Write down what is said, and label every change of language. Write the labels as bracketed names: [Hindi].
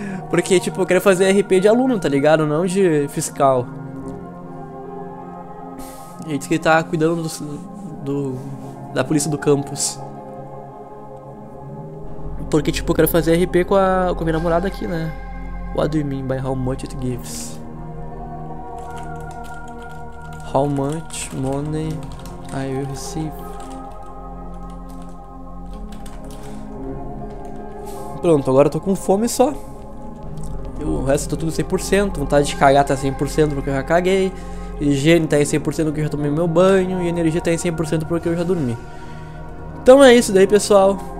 [Portuguese] Porque, tipo, eu quero fazer RP de aluno, tá ligado? Não de fiscal. Ele disse que ele tá cuidando da polícia do campus. Porque, tipo, eu quero fazer RP com a minha namorada aqui, né? [English] What do you mean by how much it gives? How much money I will receive? [Portuguese] Pronto, agora eu tô com fome só. O resto tá tudo 100%. Vontade de cagar tá 100% porque eu já caguei. Higiene tá em 100% porque eu já tomei meu banho. E energia tá em 100% porque eu já dormi. Então é isso daí, pessoal.